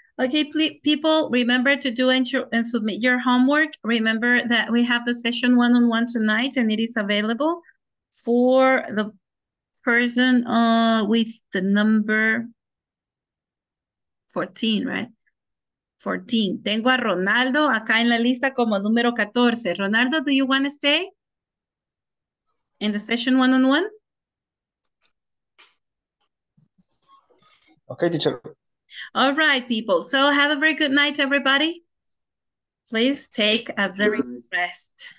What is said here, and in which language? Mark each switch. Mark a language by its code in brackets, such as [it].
[en] Okay, people, remember to do and submit your homework. Remember that we have the session one-on-one tonight and it is available for the person with the number 14, right? 14. [es] Tengo a Ronaldo acá en la lista como número 14. [en] Ronaldo, do you want to stay in the session one-on-one? Okay, teacher. All right, people. So have a very good night, everybody. Please take a very good rest.